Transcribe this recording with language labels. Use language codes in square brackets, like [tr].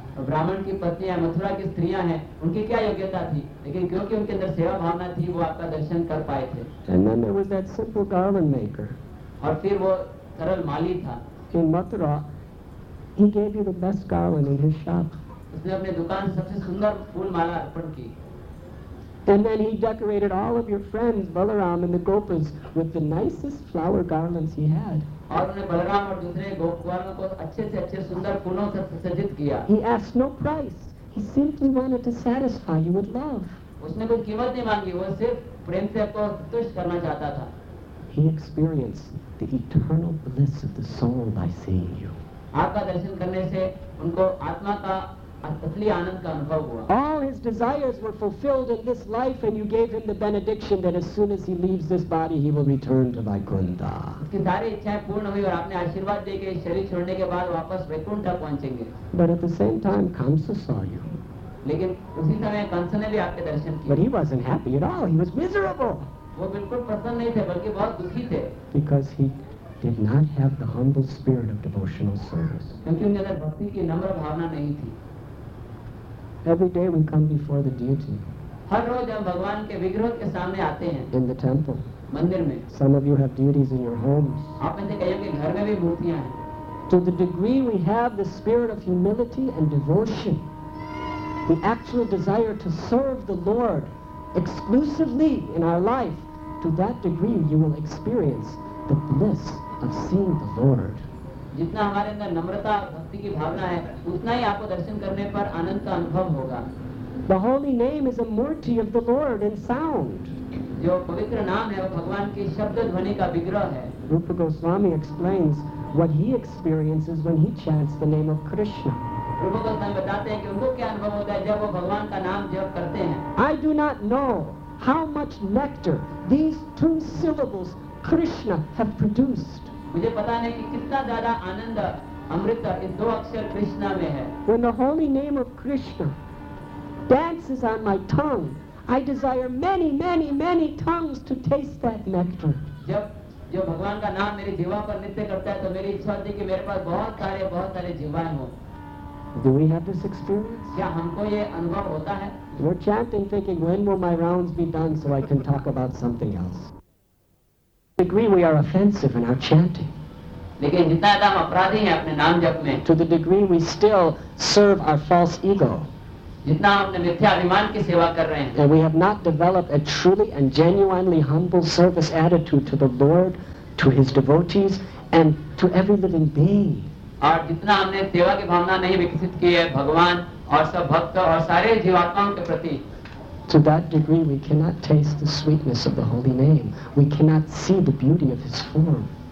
[hi] ब्राह्मण की पत्नियां मथुरा की स्त्रियां हैं, उनकी क्या योग्यता थी? लेकिन क्योंकि उनके अंदर सेवा भावना थी, वो आपका दर्शन कर पाए थे. [en] And then there was that simple garment maker. [hi] और फिर वो सरल माली था. [en] In Mathura, he gave you the best garland in his shop. [hi] उसने अपने दुकान से सबसे सुंदर फूल माला अर्पण की. [en] And then he decorated all of your friends, Balaram and the Gopas, with the nicest flower garlands he had. [hi] और उन्हें बलराम और दूसरे गोपकुमारों को अच्छे से अच्छे सुंदर फूलों से सज्जित किया. [en] He asked no price. He simply wanted to satisfy you with love. [hi] उसने कोई कीमत नहीं मांगी, वो सिर्फ प्रेम से आपको संतुष्ट करना चाहता था. [en] He experienced the eternal bliss of the soul by seeing you. [hi] आपका दर्शन करने से उनको आत्मा का असली आनंद का अनुभव हुआ. [en] All his desires were fulfilled in this life, and you gave him the benediction that as soon as he leaves this body, he will return to Vaikuntha. [hi] उसकी सारी इच्छाएं पूर्ण हुई और आपने आशीर्वाद दे के शरीर छोड़ने के बाद वापस वैकुंठ पहुंचेंगे. [en] But at the same time, Kamsa saw you. [hi] लेकिन उसी समय कंस ने भी आपके दर्शन किए. [en] But he wasn't happy at all. He was miserable. [hi] वो बिल्कुल प्रसन्न नहीं थे, बल्कि बहुत दुखी थे. [en] Because he did not have the humble spirit of devotional service. [hi] क्योंकि उनके अंदर भक्ति की नम्र भावना नहीं थी. [en] Every day we come before the deity. [hi] हर रोज हम भगवान के विग्रह के सामने आते हैं. [en] In the temple. [hi] मंदिर में. [en] Some of you have deities in your homes. [hi] आप में से कई के घर में भी मूर्तियां हैं. [en] To the degree we have the spirit of humility and devotion, the actual desire to serve the Lord exclusively in our life, to that degree you will experience the bliss of seeing the Lord. [hi] जितना हमारे अंदर नम्रता भक्ति की भावना है, उतना ही आपको दर्शन करने पर आनंद का अनुभव होगा. [en] The holy name is a murti of the Lord in sound. [hi] जो पवित्र नाम है वो भगवान के शब्द ध्वनि का विग्रह है. [en] Rupa Goswami explains what he experiences when he chants the name of Krishna. [hi] Rupa Goswami बताते हैं कि उनको क्या अनुभव होता है जब वो भगवान का नाम जप करते हैं. [en] I do not know how much nectar these two syllables Krishna have produced. [hi] मुझे पता नहीं कि कितना ज्यादा आनंद अमृत इस दो अक्षर कृष्णा में है. [en] When the holy name of Krishna dances on my tongue, I desire many, many, many tongues to taste that nectar. [hi] जब भगवान का नाम मेरी जीवा पर नृत्य करता है, तो मेरी इच्छा होती है कि मेरे पास बहुत सारे जीवाएं हों. [en] Do we have this experience? [hi] क्या हमको ये अनुभव होता है? [en] We're chanting, thinking, when will my rounds be done so I can talk about something else? Degree we are offensive in our chanting. [hi] लेकिन जितना ज्यादा हम अपराधी हैं अपने नाम जप में. [en] To the degree we still serve our false ego. [hi] जितना हम अपने मिथ्या अभिमान की सेवा कर रहे हैं. [en] And we have not developed a truly and genuinely humble service attitude to the Lord, to his devotees, and to every living being. [hi] और जितना हमने सेवा की भावना नहीं विकसित की है भगवान और सब भक्त और सारे जीवात्माओं के प्रति. [en] To that degree, we cannot taste the sweetness of the holy name. We cannot see the beauty of his form.